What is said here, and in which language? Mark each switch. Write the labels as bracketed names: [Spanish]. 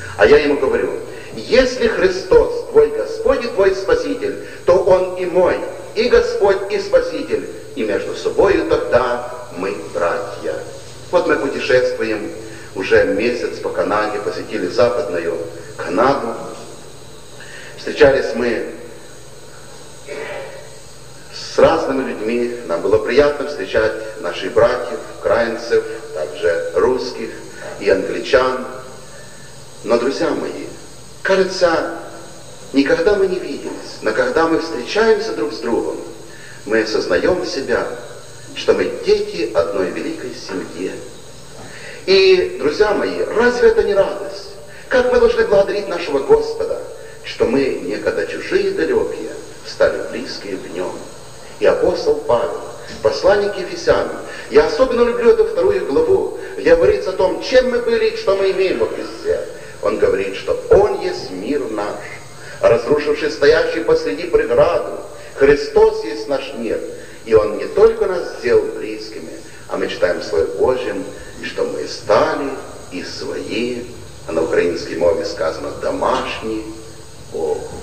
[Russian] А я ему говорю, если Христос твой Господь и твой Спаситель, то Он и мой, и Господь, и Спаситель, и между собою тогда мы братья. Вот мы путешествуем уже месяц по Канаде, посетили Западную Канаду. Встречались мы [Ukrainian] з різними людьми. Нам було приємно зустрічати наших братів, українців, також русських і англічан. Но, друзі мої, кажеться, ніколи ми не виділися, но коли ми зустрічаємося друг з другом, ми осознаємо себе, що ми діти одної великої сім'ї. І, друзі мої, разве це не радість? Як ми повинні благодарити нашого Господа, що ми некогда чужі і далекі, стали близькі в ньому. І апостол Павел, посланник Ефесянам, я особливо люблю цю вторую главу, де говориться о том, чим ми були і що ми маємо в Христі. [Russian] Он говорить, что Он есть мир наш, разрушивший стоящий посреди преграду. Христос есть наш мир, и Он не только нас сделал близкими, а мы читаем Слово Божьим, что мы стали и свои, а на украинской мове сказано «домашний Бог».